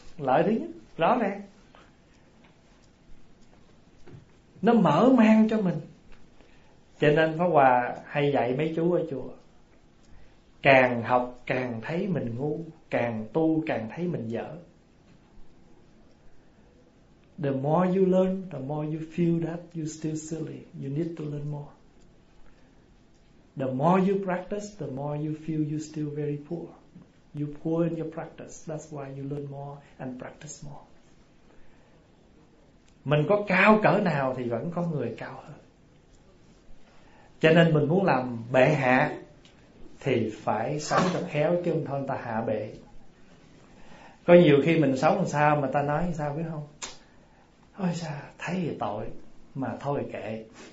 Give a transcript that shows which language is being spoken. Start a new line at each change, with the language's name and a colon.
Vietnamese: Lợi thứ nhất, rõ ràng. Nó mở mang cho mình. Cho nên Pháp Hòa hay dạy mấy chú ở chùa, càng học càng thấy mình ngu, càng tu càng thấy mình dở.
English: The more you learn, the more you feel that you're still silly. You need to learn more. The more you practice, the more you feel you're still very poor. You're poor in your practice. That's why you learn more and practice more.
Vietnamese: Mình có cao cỡ nào thì vẫn có người cao hơn. Cho nên mình muốn làm bệ hạ thì phải sống cho khéo, chứ không thôi ta hạ bệ. Có nhiều khi mình sống làm sao mà ta nói sao biết không? Ôi sao, thấy thì tội mà thôi kệ.